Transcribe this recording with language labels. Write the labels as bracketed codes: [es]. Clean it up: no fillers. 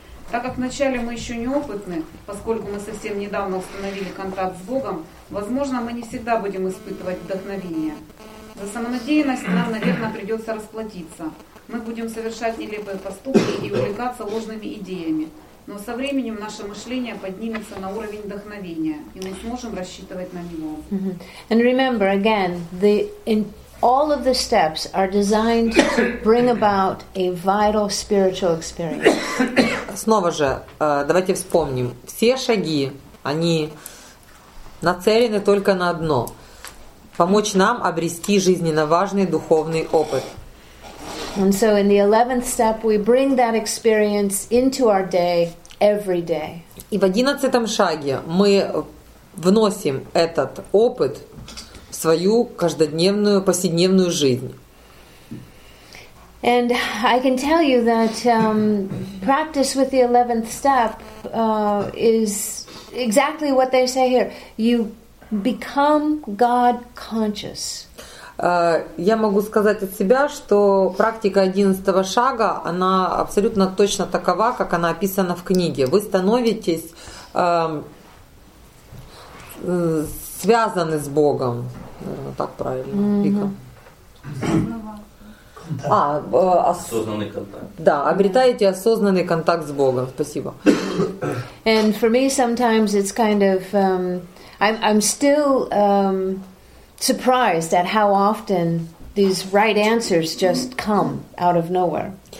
[ru] Так как вначале мы еще не опытны, поскольку мы совсем недавно установили контакт с Богом, возможно, мы не всегда будем испытывать вдохновение. За самонадеянность нам, наверное, придется расплатиться. Мы будем совершать нелепые поступки и увлекаться ложными идеями. Но со временем наше мышление поднимется на уровень вдохновения, и мы сможем рассчитывать на него. [en] And remember again, all of the steps are designed to bring about a vital spiritual experience. [ru] Снова же, давайте вспомним. Все шаги, они нацелены только на одно: помочь нам обрести жизненно важный духовный опыт. [en] And so in the 11th step we bring that experience into our day every day. [ru] И в 11-м шаге мы вносим этот опыт в свою каждодневную повседневную жизнь. [en] And I can tell you that practice with the 11th step is exactly what they say here. You become God conscious. [ru] Я могу сказать от себя, что практика 11-го шага, она абсолютно точно такова, как она описана в книге. Вы становитесь связаны с Богом. Так правильно, Вика. Сознаваться. Да. Осознанный контакт. Да, обретаете осознанный контакт с Богом. Спасибо. [en] And for me sometimes it's kind of I'm still surprised at how often these right answers just come out of nowhere.